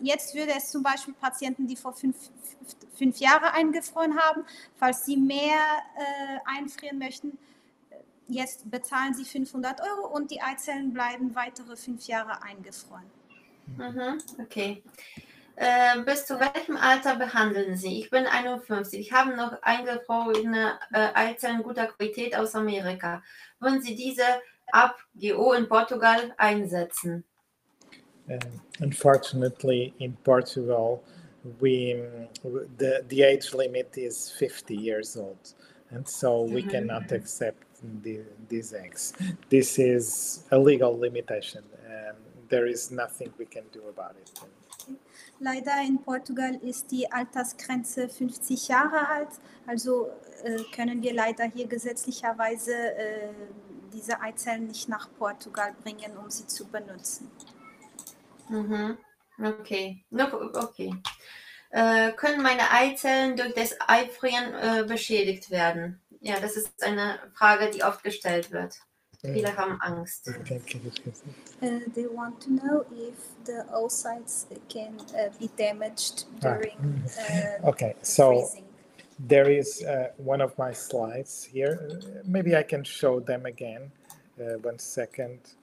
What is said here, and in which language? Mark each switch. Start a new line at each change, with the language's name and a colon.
German: Jetzt würde es zum Beispiel Patienten, die vor 5 Jahren eingefroren haben, falls sie mehr einfrieren möchten, jetzt bezahlen sie 500 Euro und die Eizellen bleiben weitere 5 Jahre eingefroren. Mhm, okay. Bis zu welchem Alter behandeln Sie? Ich bin 51. Ich habe noch eingefrorene Eizellen guter Qualität aus Amerika. Würden Sie diese ab GO in Portugal einsetzen?
English: Unfortunately, in Portugal, the age limit is 50 years old, and so we mm-hmm. cannot accept these eggs. This is a legal limitation, and there is nothing we can do about it.
German: Leider in Portugal ist die Altersgrenze 50 Jahre alt, also können wir leider hier gesetzlicherweise diese Eizellen nicht nach Portugal bringen, um sie zu benutzen. Okay. Können meine Eizellen durch das Einfrieren beschädigt werden? Ja, das ist eine Frage, die oft gestellt wird. Viele haben Angst.
English: They want to know if the oocytes can be damaged during okay, so freezing. There is one of my slides here. Maybe I can show them again. One second.